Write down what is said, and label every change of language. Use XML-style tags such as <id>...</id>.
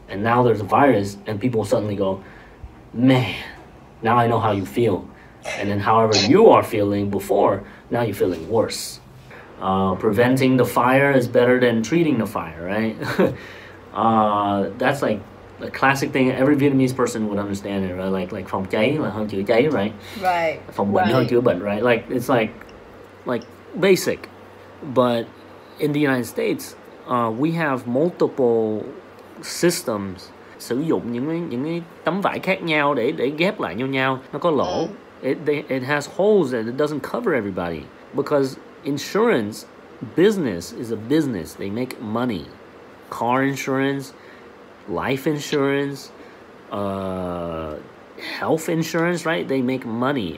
<en>And now there's a virus and people suddenly go, man, now I know how you feel. And then however you are feeling before, now you're feeling worse. Preventing the fire is better than treating the fire, right? that's like a classic thing every Vietnamese person would understand it, right?</en> <vi>Like phòng cháy là hơn chữa cháy, right?</vi> <en>Right.</en> <vi>Phòng bệnh hơn chữa bệnh, right?</vi> <en>Like it's like basic. But in the United States, we have multiple systems</en> <vi>sử dụng những tấm vải khác nhau để ghép lại nhau. Nó có lỗ.</vi> <en>It has holes that it doesn't cover everybody, because insurance business is a business. They make money. Car insurance, life insurance, health insurance, right? They make money.</en>